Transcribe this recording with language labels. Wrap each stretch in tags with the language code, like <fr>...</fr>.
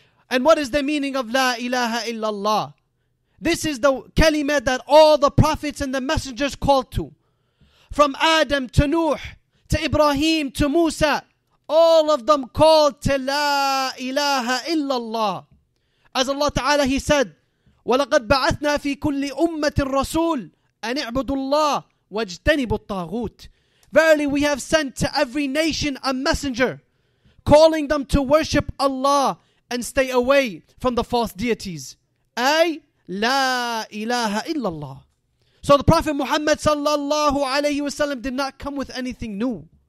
<en>And what is the meaning of La ilaha illallah? This is the kalima that all the prophets and the messengers called to. From Adam to Nuh, to Ibrahim, to Musa, all of them called to La ilaha illallah. As Allah ta'ala, he said,</en> <ar>وَلَقَدْ بَعَثْنَا فِي كُلِّ أُمَّةِ الرَّسُولِ أَنِ اعْبُدُ اللَّهِ وَاجْتَنِبُ الطَّاغُوتِ.</ar> <en>Verily, we have sent to every nation a messenger, calling them to worship Allah and stay away from the false deities. Ay, La ilaha illallah. So the Prophet Muhammad sallallahu alayhi wasallam did not come with anything new.</en>